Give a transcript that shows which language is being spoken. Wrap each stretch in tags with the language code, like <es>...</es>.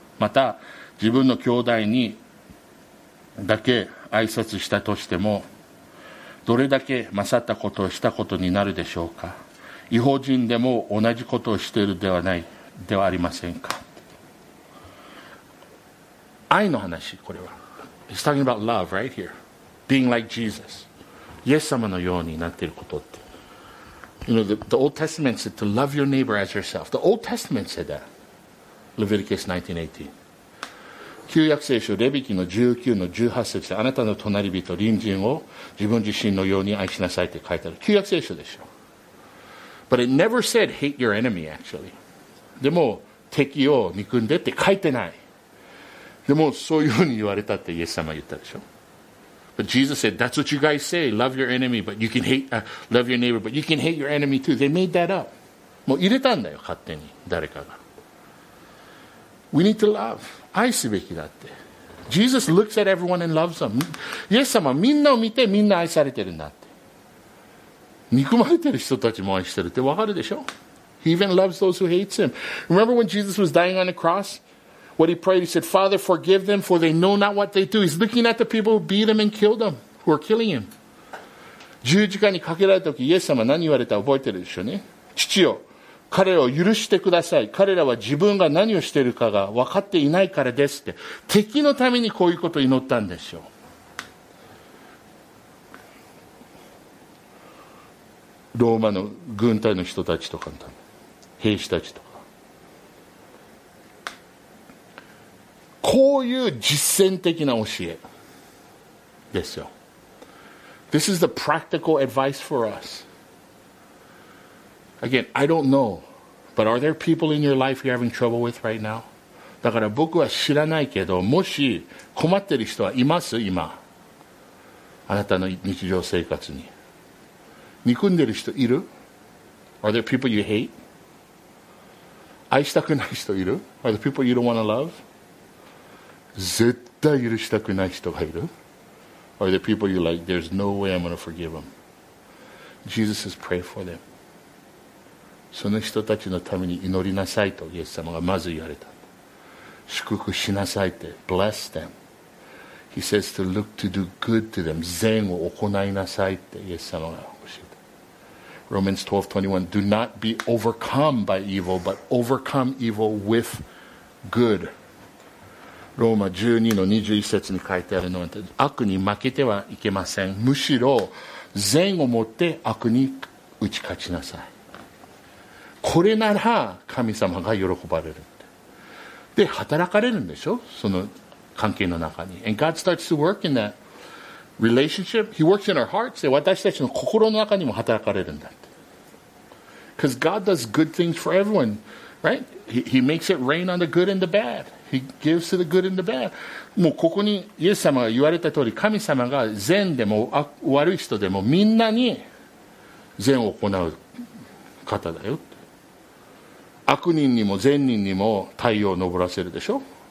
<ja>また自分の兄弟にだけ挨拶したとしても、どれだけ勝ったことをしたことになるでしょうか。異邦人でも同じことをしているではないではありませんか。愛の話、これは。</ja> <en>He's talking about love right here. being like Jesus.</en> <ja>イエス様のようになっていることって。</ja> <en>You know, the Old Testament said to love your neighbor as yourself. The Old Testament said that. Leviticus 19:18.</en> <ja>旧約聖書レビ記の19の18節であなたの隣人、隣人を自分自身のように愛しなさいって書いてある。旧約聖書でしょ。</ja> <en>But it never said hate your enemy, actually.</en> <ja>でも敵を憎んでって書いてない。でもそういうふうに言われたってイエス様は言ったでしょ。</ja> <en>But Jesus said, that's what you guys say, love your enemy, but you can hate, love your neighbor, but you can hate your enemy too. They made that up.</en> <ja>もう入れたんだよ、勝手に、誰かが。</ja> <en>We need to love.</en> <ja>愛すべきだって。</ja> <en>Jesus looks at everyone and loves them.</en> <ja>イエス様、みんなを見てみんな愛されてるんだって。憎まれてる人たちも愛してるってわかるでしょ。</ja> <en>He even loves those who hates him. Remember when Jesus was dying on the cross? What he prayed, he said, Father, forgive them, for they know not what they do. He's looking at the people who beat him and killed him, who are killing him.</en> <ja>十字架にかけられた時、イエス様何言われた覚えてるでしょうね。父よ、彼を許してください。彼らは自分が何をしているかが分かっていないからですって。敵のためにこういうことを祈ったんでしょう。ローマの軍隊の人たちとかのため、兵士たちとか。こういう実践的な教えですよ。</ja> <en>This is the practical advice for us. Again, I don't know, but are there people in your life you're having trouble with right now?</en> <ja>だから僕は知らないけど、もし困ってる人はいます今、あなたの日常生活に。憎んでる人いる？</ja> <en>Are there people you hate?</en> <ja>愛したくない人いる？</ja> <en>Are there people you don't want to love?</en> <ja>絶対許したくない人がいる。</ja> <en>Are there people you like? There's no way I'm going to forgive them. Jesus says, pray for them.</en> <ja>その人たちのために祈りなさいとイエス様がまず言われた。祝福しなさいって。</ja> <en>Bless them. He says to look to do good to them.</en> <ja>善を行いなさいってイエス様が教えた。</ja> <en>Romans 12:21. Do not be overcome by evil, but overcome evil with good.</en> <ja>ローマ 12-21 節に書いてあるのは、悪に負けてはいけません。むしろ善をもって悪に打ち勝ちなさい。これなら神様が喜ばれるって。で、働かれるんでしょ？その関係の中に。</ja> <en>And God starts to work in that relationship. He works in our hearts.</en> <ja>私たちの心の中にも働かれるんだって。</ja> <en>Because God does good things for everyone, right? He makes it rain on the good and the bad. He gives to the good and the bad.</en> <ja>もうここにイエス様が言われた通り、神様が善でも悪い人でもみんなに善を行う方だよ。悪人にも善人にも太陽を昇らせるでしょ。</ja>